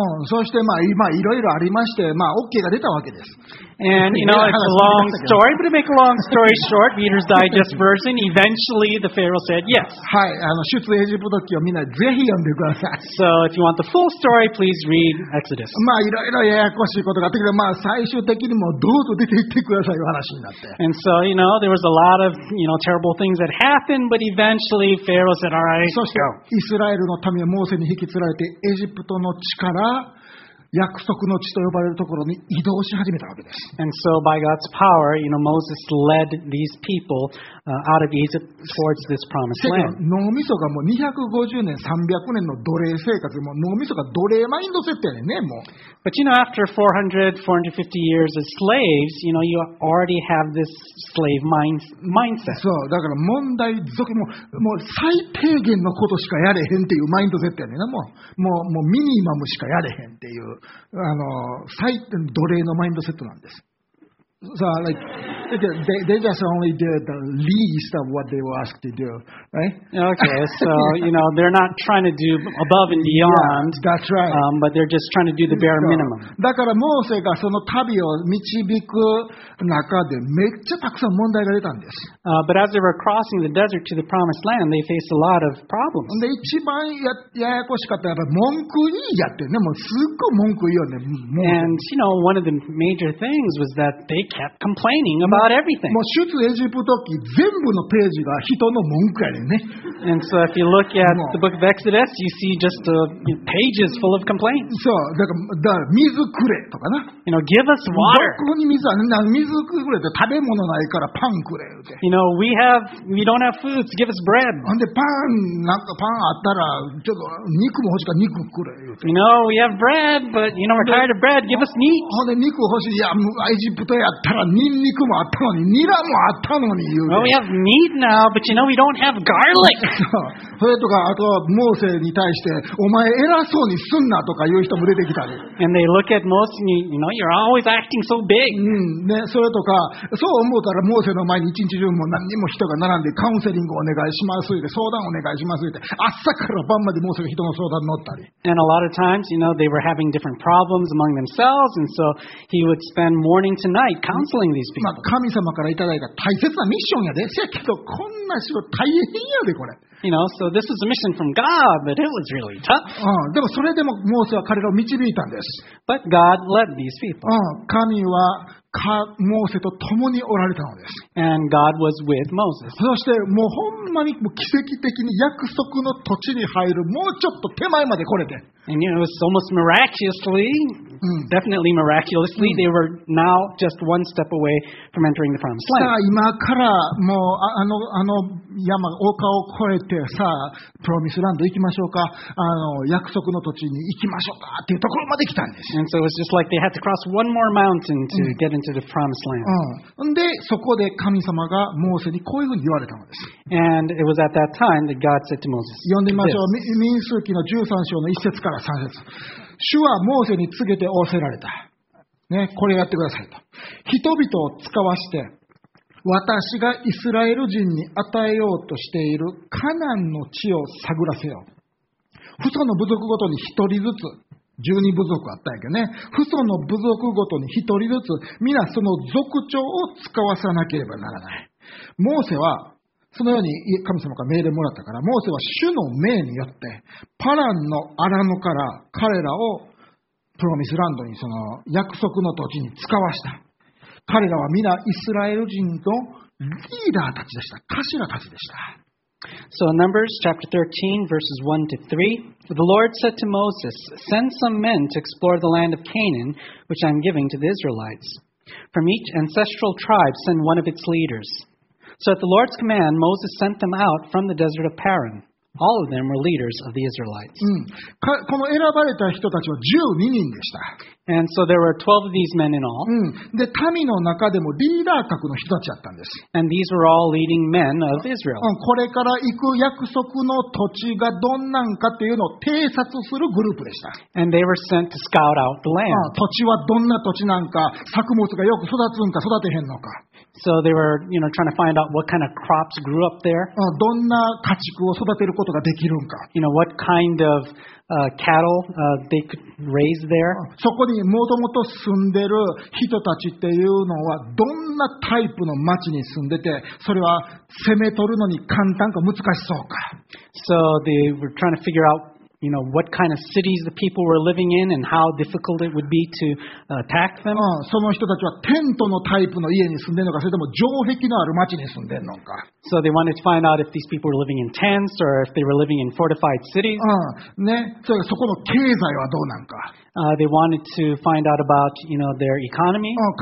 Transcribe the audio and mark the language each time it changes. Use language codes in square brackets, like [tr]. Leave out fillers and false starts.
[ja] そして、まあ、今、いろいろありまして、まあ、OK が出たわけです。 [en] And, you know, it's a long story, but to make a long story short, Reader's Digest version, eventually the Pharaoh said yes. [ja] はい、出エジプト記をみんなぜひ読んでください。 [en] So if you want the full story, please read Exodus. [ja] まあ、いろいろややこしいことがあったけど、まあ、最終的にもどうぞ出ていってくださいという話になって。 [en] And so, you know, there was a lot of, you know, terrible things that happened, but eventually Pharaoh said, all right, [ja] そして、イスラエルの民はモーセに引き連れて、エジプトの地から約束の地と呼ばれるところに移動し始めたわけです。 [en] And so by God's power, you know, Moses led these people out of Egypt towards this promised land. [ja] 脳みそがもう250年、300年の奴隷生活、もう脳みそが奴隷マインドセットやねんね、もう。 [en] But you know, after 400, 450 years as slaves, you know, you already have this slave mindset. [ja] そう、だから問題続き、もう最低限のことしかやれへんっていうマインドセットやねんね、もう。もうミニマムしかやれへんっていう、最低奴隷のマインドセットなんです。 [en] So, like, they just only did the least of what they were asked to do, right? Okay, so, you know, they're not trying to do above and beyond. Yeah, that's right. But they're just trying to do the bare minimum. [ja] だからモーセがその旅を導く中でめっちゃたくさん問題が出たんです。 [en] But as they were crossing the desert to the promised land, they faced a lot of problems. [ja] で、一番ややこしかったのは文句言いやってね。もうすっごい文句言いよね。 [en] And, you know, one of the major things was that they kept complaining about everything. [ja] もう出エジプト記全部のページが人の文句やね。 [en] And so if you look at the book of Exodus, you see just pages full of complaints. [ja] そう、だから水くれとかな。 [en] You know, give us water. [ja] どこに水あるの？水くれって食べ物ないからパンくれって。 [en] You know, we don't have food, so give us bread. [ja] ほんでパン、なんかパンあったらちょっと肉も欲しいから肉くれって。 [en] You know, we have bread, but you know, we're tired of bread, give us meat. [ja] ほんで肉欲しい、いや、エジプトやったらニンニクもあったのにニラもあったのに言う。 [en] Well, we have meat now, but you know we don't have garlic. [ja] それとかあとモーセに対してお前偉そうにすんなとか言う人も出てきたり。 [en] And they look at Moses, you know, you're always acting so big. [ja] うんね、それとかそう思うたらモーセの前に一日中も何人も人が並んでカウンセリングお願いしますって相談お願いしますって朝から晩までモーセが人の相談に乗ったり。 [en] And a lot of times, you know, they were having different problems among themselves, and so he would spend morning to night. Counseling these people. [ja] 神様からいただいた大切なミッションやで。せやけどこんな仕事大変やでこれ。 [en] You know, so this was a mission from God, but it was really tough. [ja] でもそれでもモーセは彼らを導いたんです。 [en] But God led these people. [ja] 神はモーセと共におられたのです。 [en] And God was with Moses. [ja] そしてもうほんまに奇跡的に約束の土地に入るもうちょっと手前まで来れて。 [en] And it was almost miraculously, definitely miraculously, they were now just one step away from entering the promised land. [ja] さあ今からもうあの山丘を越えてさあプロミスランド行きましょうか、約束の土地に行きましょうかっていうところまで来たんです。 [en] And so it was just like they had to cross one more mountain to get into the promised land. [ja] でそこで神様がモーセにこういうふうに言われたのです。 [en] And it was at that time that God said to Moses. [ja] 読んでみましょう。民数記の13章の1節から。主はモーセに告げて仰せられた、ね、これやってくださいと。人々を使わして私がイスラエル人に与えようとしているカナンの地を探らせよ。父祖の部族ごとに一人ずつ、十二部族あったんやけどね、父祖の部族ごとに一人ずつ皆その族長を使わさなければならない。モーセはそのように神様から命令もらったから、モーセは主の命によってパランのアラノから彼らをプロミスランドに、その約束の土地に使わした。彼らは皆イスラエル人のリーダーたちでした。頭たちでした。 [en] So Numbers chapter 13 verses 1 to 3. The Lord said to Moses, Send some men to explore the land of Canaan, which I'm giving to the Israelites. From each ancestral tribe, send one of its leaders. So at the Lord's command, Moses sent them out from the desert of Paran. All of them were leaders of the Israelites. [ja] この選ばれた人たちは12人でした。 [en] And so there were 12 of these men in all. [ja] で、民の中でもリーダー格の人たちだったんです。 [en] And these were all leading men of Israel. [ja] これから行く約束の土地がどんなんかっていうのを偵察するグループでした。 [en] And they were sent to scout out the land. [ja] 土地はどんな土地なんか、作物がよく育つんか育てへんのか。 [en] So they were, you know, trying to find out what kind of crops grew up there. [ja] どんな家畜を育てることができるんか。 [en] You know, what kind of, cattle, they could raise there. [ja] そこにもともと住んでる人たちっていうのはどんなタイプの町に住んでて、それは攻め取るのに簡単か難しそうか。 [en] So they were trying to figure out,You know, what kind of cities the people were living in and how difficult it would be to attack them. [ja] その人たちはテントのタイプの家に住んでるのか、それとも城壁のある町に住んでるのか。 [en] So they wanted to find out if these people were living in tents or if they were living in fortified cities. [ja] ね、それそこの経済はどうなんか。 [en] They wanted to find out about, you know, their economy.